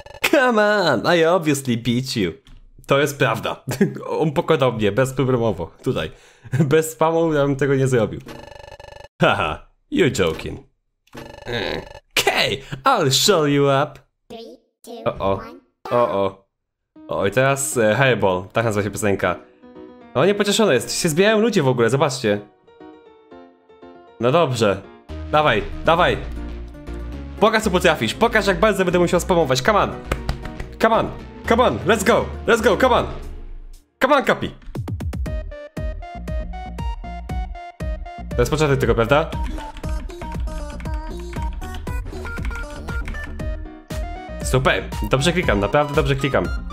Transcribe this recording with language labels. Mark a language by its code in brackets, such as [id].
[en] Come on, I obviously beat you. [pl] To jest prawda. On pokonał mnie bezproblemowo, tutaj. Bez spamu ja bym tego nie zrobił. [en] Haha, you're joking. Okej, I'll show you up. O-o. [pl] I teraz Hairball, tak nazywa się piosenka. O, niepocieszone jest, się zbijają ludzie w ogóle, zobaczcie. No dobrze. Dawaj, dawaj. Pokaż co potrafisz, pokaż jak bardzo będę musiał spamować, [en] come on. Come on, come on, let's go, come on. Come on, Kapi. [pl] To jest początek tego, prawda? Super, dobrze klikam, naprawdę dobrze klikam.